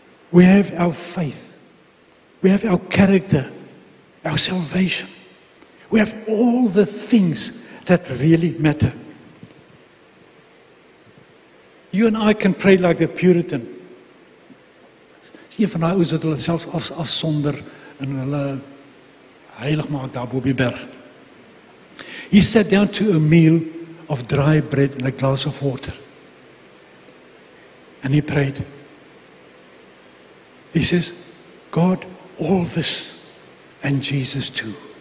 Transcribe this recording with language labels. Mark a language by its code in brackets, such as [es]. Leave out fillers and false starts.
[en] We have our faith. We have our character, our salvation. We have all the things that really matter. You and I can pray like the Puritan. [af] Sien van daai ouens wat hulle self afsonder en hulle heilig maak daar bo op die berg. [en] He sat down to a meal of dry bread and a glass of water. And he prayed. He says, God, all this, and Jesus too.